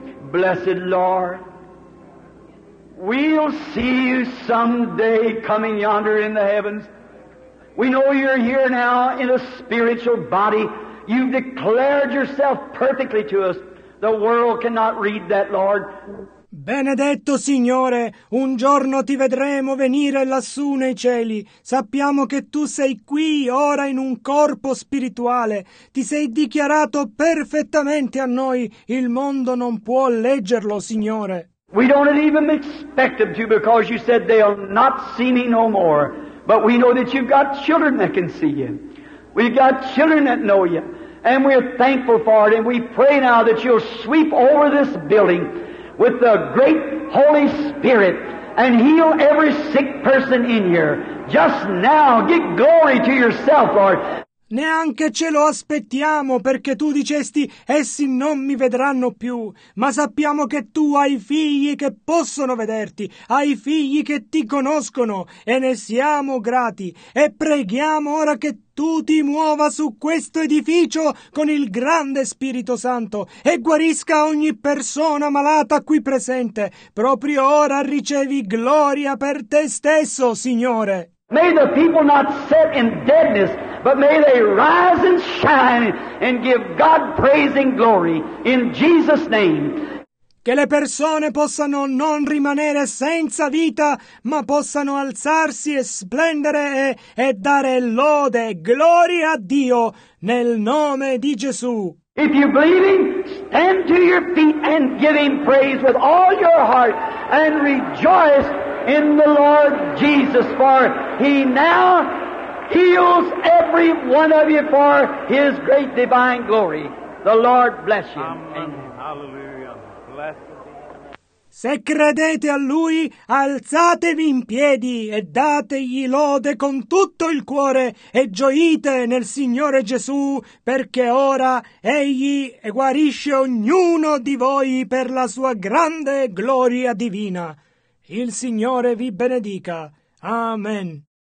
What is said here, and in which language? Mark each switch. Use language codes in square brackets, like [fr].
[en] Blessed Lord, we'll see you someday coming yonder in the heavens. We know you're here now in a spiritual body. You've declared yourself perfectly to us. The world cannot read that, Lord. [it] Benedetto Signore, un giorno ti vedremo venire lassù nei cieli. Sappiamo che tu sei qui ora in un corpo spirituale. Ti sei dichiarato perfettamente a noi. Il mondo non può leggerlo, Signore. [en] We don't even expect them to because you said they'll not see me no more. But we know that you've got children that can see you. We've got children that know you. And we're thankful for it. And we pray now that you'll sweep over this building with the great Holy Spirit and heal every sick person in here. Just now, get glory to yourself, Lord. [it] Neanche ce lo aspettiamo, perché tu dicesti, essi non mi vedranno più. Ma sappiamo che tu hai figli che possono vederti, hai figli che ti conoscono, e ne siamo grati. E preghiamo ora che tu ti muova su questo edificio con il grande Spirito Santo e guarisca ogni persona malata qui presente. Proprio ora ricevi gloria per te stesso, Signore. [en] May the people not sit in deadness, but may they rise and shine and give God praise and glory in Jesus' name. [it] Che le persone possano non rimanere senza vita, ma possano alzarsi e splendere e dare lode e gloria a Dio nel nome di Gesù. [en] If you believe Him, stand to your feet and give Him praise with all your heart and rejoice in the Lord Jesus, for He now heals every one of you for His great divine glory. The Lord bless you. Amen. Amen. Hallelujah. Bless you. [it] Se credete a Lui, alzatevi in piedi e dategli lode con tutto il cuore e gioite nel Signore Gesù, perché ora Egli guarisce ognuno di voi per la sua grande gloria divina. Il Signore vi benedica. Amen.